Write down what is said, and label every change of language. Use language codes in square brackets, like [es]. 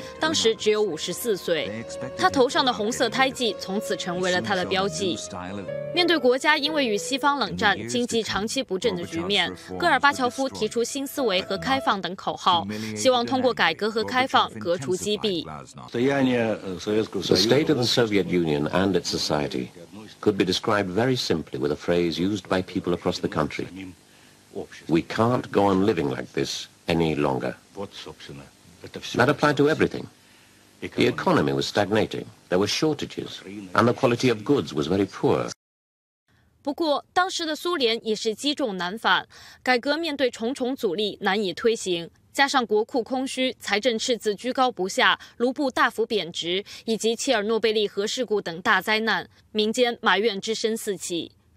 [zh] 当时只有54岁，他头上的红色胎记从此成为了他的标记。面对国家因为与西方冷战、经济长期不振的局面，戈尔巴乔夫提出新思维和开放等口号，希望通过改革和开放革除积弊。 [en] The state of the Soviet Union and its society could be described very simply with a phrase used by people across the country. We can't go on living like this any longer. That applied to everything. The economy was stagnating, there were shortages, and the quality of goods was very poor. [zh] 不过，当时的苏联也是积重难返，改革面对重重阻力，难以推行。加上国库空虚、财政赤字居高不下、卢布大幅贬值，以及切尔诺贝利核事故等大灾难，民间埋怨之声四起。